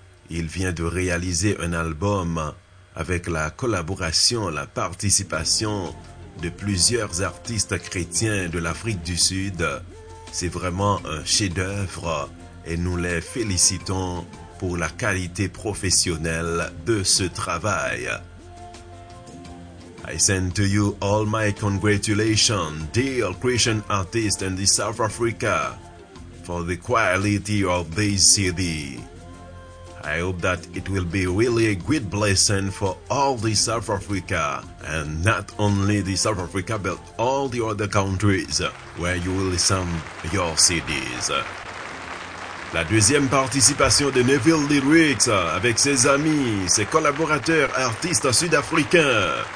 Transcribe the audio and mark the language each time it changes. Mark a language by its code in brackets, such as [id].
[fr] Il vient de réaliser un album avec la collaboration, la participation de plusieurs artistes chrétiens de l'Afrique du Sud. C'est vraiment un chef-d'œuvre et nous les félicitons pour la qualité professionnelle de ce travail. [en] I send to you all my congratulations, dear Christian artists in South Africa, for the quality of this CD. I hope that it will be really a great blessing for all the South Africa, and not only the South Africa, but all the other countries where you will listen your CDs. [fr] La deuxième participation de Neville Didrix avec ses amis, ses collaborateurs, artistes sud-africains.